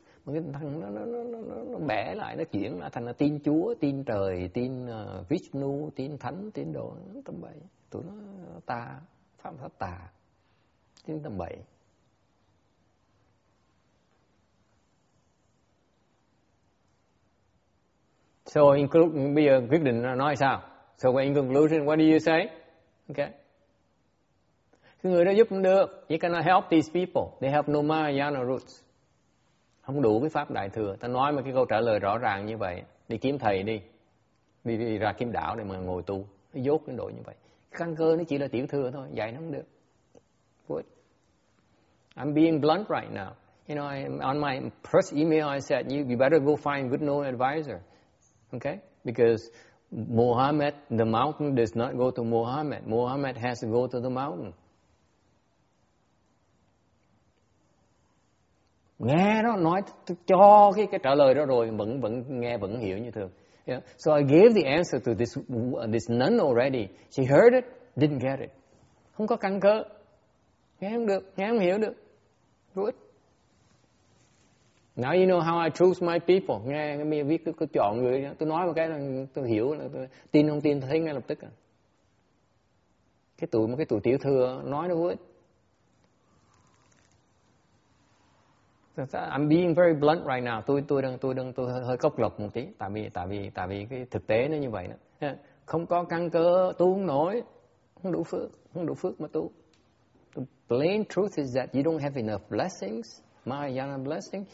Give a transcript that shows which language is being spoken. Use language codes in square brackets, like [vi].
[vi] Mà cái thằng nó bẻ lại, nó chuyển lại thành là tin Chúa, tin trời, tin Vishnu, tin thánh, tin đồ tầm bậy. Tụi nó tà, phạm pháp tà, tin tầm bậy. [en] So in conclusion, [vi] bây giờ quyết định nói sao? [en] So in conclusion, what do you say? Okay. [vi] Cái người đó giúp được. [en] You cannot help these people. They have no Mahayana roots. [vi] Không đủ cái pháp đại thừa. Ta nói mà cái câu trả lời rõ ràng như vậy. Đi kiếm thầy đi. đi ra kim đảo để mà ngồi tu, nó dốt đến độ như vậy. Căn cơ nó chỉ là tiểu thừa thôi, dạy nó không được. [en] Good. I'm being blunt right now. You know, on my first email, I said, you better go find good noble advisor. Okay? Because Muhammad, the mountain, does not go to Muhammad. Muhammad has to go to the mountain. [vi] Nghe nó nói cho cái trả lời đó rồi, vẫn nghe, vẫn hiểu như thường. [en] Yeah. So I gave the answer to this nun already. She heard it, didn't get it. [vi] Không có căn cơ. Nghe không được, nghe không hiểu được. [en] Good. Now you know how I choose my people. [vi] Nghe mình viết cứ chọn người, tôi nói một cái là tôi hiểu, là tôi tin không tin thấy ngay lập tức. Cái tuổi tiểu thừa nói nó good. [en] I'm being very blunt right now. [vi] Tôi hơi cốc lập một tí, tại vì cái thực tế nó như vậy đó. Không có căn cơ tu không nổi, không đủ phước mà tu. [en] The plain truth is that you don't have enough blessings, Mahayana blessing.